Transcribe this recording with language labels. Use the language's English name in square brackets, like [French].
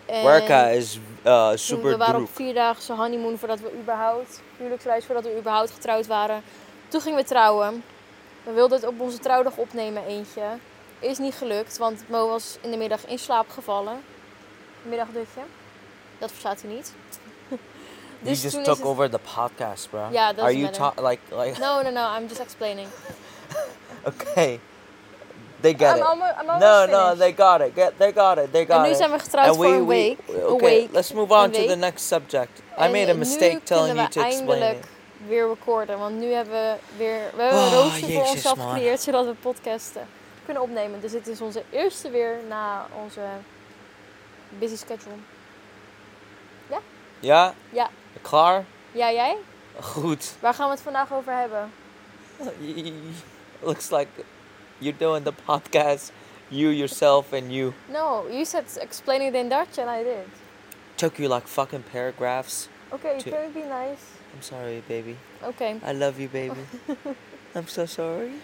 [Dutch] Werken is super druk. We waren op 4-daagse honeymoon voordat we überhaupt, huwelijksreis voordat we überhaupt getrouwd waren. Toen gingen we trouwen. We wilden het op onze trouwdag opnemen eentje. Is niet gelukt, want Mo was in de middag in slaap gevallen. Middagdutje. Dat verstaat u niet. [English] Dus you just took over the podcast, bro. [Dutch] Ja, dat is [English] are you like No, I'm just explaining. Okay. They get They got it. [Dutch] En nu zijn we getrouwd voor een week. [English] Okay, let's move on to the next subject. I made a mistake telling you to explain it. [Dutch] En nu kunnen we eindelijk weer recorden. Want nu hebben we een roosje voor onszelf gecreëerd. Zodat we podcasten kunnen opnemen. Dus dit is onze eerste weer na onze [English] busy schedule. [Dutch] Ja? Ja? Ja. Klaar? Ja, jij? Goed. Waar gaan we het vandaag over hebben? [English] Looks like you're doing the podcast, you, yourself, and you. No, you said explain it in Dutch, and I did. Took you like fucking paragraphs. Okay, can we be nice? I'm sorry, baby. Okay. I love you, baby. I'm so sorry.